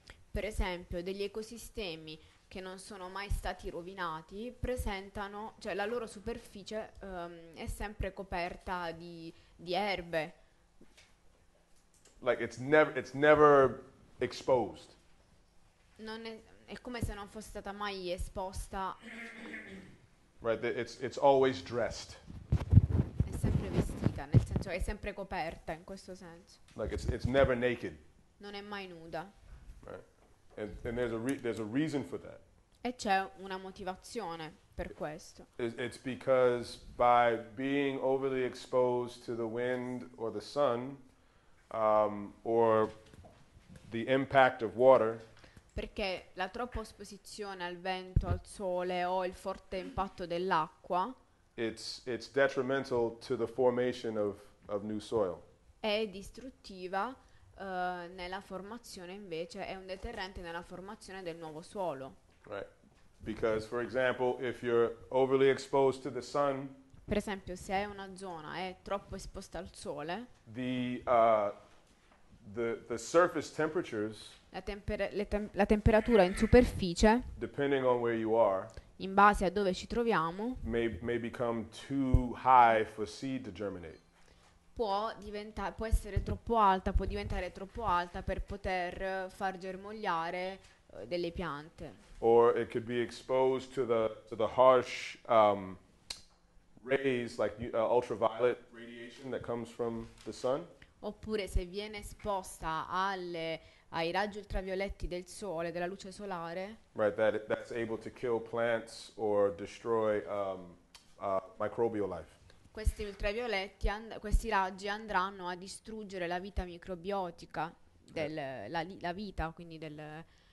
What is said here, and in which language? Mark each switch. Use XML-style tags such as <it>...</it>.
<it>Per esempio, degli ecosistemi che non sono mai stati rovinati presentano, cioè la loro superficie è sempre coperta di erbe.</it> <en>Like it's never exposed.</en> <it>Non è come se non fosse stata mai esposta.</it> <en>Right, it's always dressed.</en> <it>È sempre vestita, nel senso è sempre coperta in questo senso.</it> <en>Like it's never naked.</en> <it>Non è mai nuda.</it> <en>Right. And there's a reason for that.</en> <it>E c'è una motivazione per questo.</it> <en>It's because by being overly exposed to the wind or the sun or the impact of water.</en> <it>Perché la troppa esposizione al vento, al sole o il forte impatto dell'acqua.</it> <en>It's detrimental to the formation of new soil.</en> <it>È distruttiva nella formazione invece, è un deterrente nella formazione del nuovo suolo.</it> <en>Right. Because, for example, if you're overly exposed to the sun,</en> <it>per esempio, se è una zona è troppo esposta al sole,</it> <en>the surface temperatures,</en> <it>la temperatura in superficie,</it> <en>depending on where you are,</en> <it>in base a dove ci troviamo,</it> <en>may become too high for seed to germinate.</en> <it>Può diventare troppo alta per poter far germogliare delle piante.</it> <en>Or it could be exposed to the harsh rays, like ultraviolet radiation that comes from the sun.</en> <it>Oppure se viene esposta ai raggi ultravioletti del sole, della luce solare.</it> <en>Right, that's able to kill plants or destroy microbial life.</en> <it>Questi ultravioletti, questi raggi andranno a distruggere la vita microbiotica, la vita, quindi del</it>